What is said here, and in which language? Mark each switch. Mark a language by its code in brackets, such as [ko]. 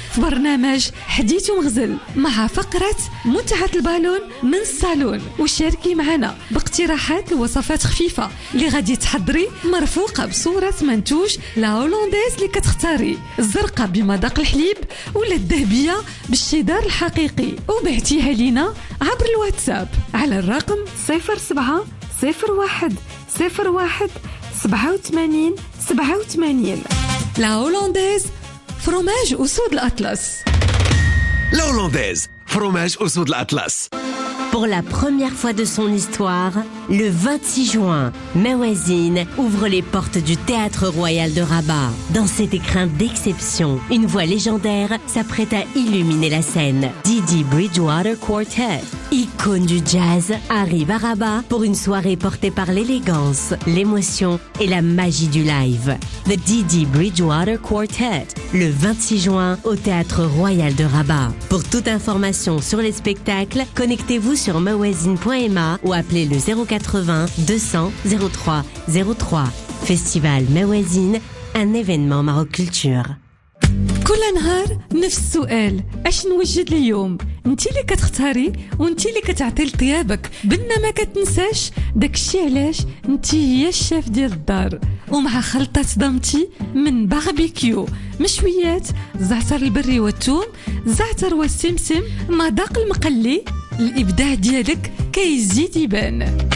[ar] في برنامج حديث مغزل مع فقرة متعة البالون من الصالون، وشاركي معنا باقتراحات لوصفات خفيفة اللي غادي تحضري مرفوقة بصورة منتوج لهولونديز اللي كتختاري، الزرقة بمذاق الحليب ولا الذهبية بالشدار الحقيقي، وبعتيها لينا عبر الواتساب على الرقم 07 01 01 87 87. لا هولونديز فروماج أسود الأطلس. لا هولونديز فروماج أسود الأطلس. [fr] Pour la première fois de son histoire, le 26 juin, Mewazine ouvre les portes du Théâtre Royal de Rabat. Dans cet écrin d'exception, une voix légendaire s'apprête à illuminer la scène. Didi Bridgewater Quartet, icône du jazz, arrive à Rabat pour une soirée portée par l'élégance, l'émotion et la magie du live. The Didi Bridgewater Quartet, le 26 juin au Théâtre Royal de Rabat. Pour toute information sur les spectacles, connectez-vous sur mewazine.ma ou appelez le 080 200 03 03. Festival Mewazine, un événement Maroc culture. [ar] كل نهار نفس السؤال، اش نوجد اليوم؟ انت اللي كتختاري وانت اللي كتعطي لطيابك، بنا ما كتنساش داكشي علاش انت هي الشيف ديال الدار، ومع خلطه دمتي من باربيكيو، مشويات، زعتر البري والثوم، زعتر والسمسم، مذاق المقلي، الابداع ديالك كيزيد يبان.